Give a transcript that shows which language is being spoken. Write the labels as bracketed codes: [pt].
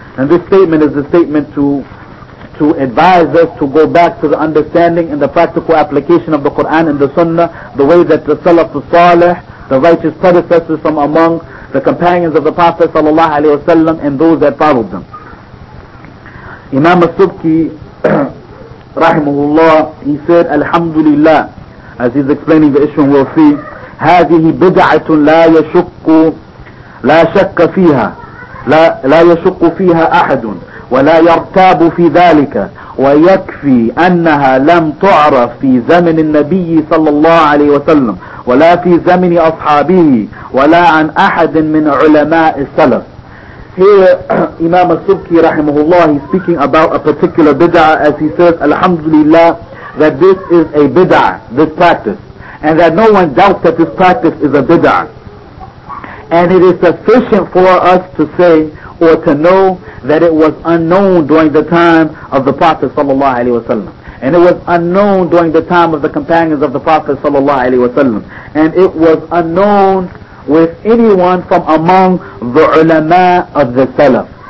[en] And this statement is a statement to advise us to go back to the understanding and the practical application of the Quran and the Sunnah, the way that the Salaf al-Salih, the righteous predecessors from among the companions of the Prophet sallallahu alaihi wasallam, and those that followed them. Imam al-Subki rahimahullah, he said, Alhamdulillah, as he's explaining the issue, and we'll see, [ar] هذه بدعة لا يشك لا شك فيها لا يشك فيها أحد ولا يرتاب في ذلك ويكفي أنها لم تعرف في زمن النبي صلى الله عليه وسلم ولا في زمن أصحابه ولا عن أحد من علماء السلف. [en] Here Imam al-Subki rahimahullah, he's speaking about a particular bid'ah, as he says, Alhamdulillah, that this is a bid'ah, this practice, and that no one doubts that this practice is a bid'ah. And it is sufficient for us to say or to know that it was unknown during the time of the Prophet sallallahu alaihi wasallam, and it was unknown during the time of the companions of the Prophet sallallahu alaihi wasallam, and it was unknown with anyone from among the ulama of the Salaf.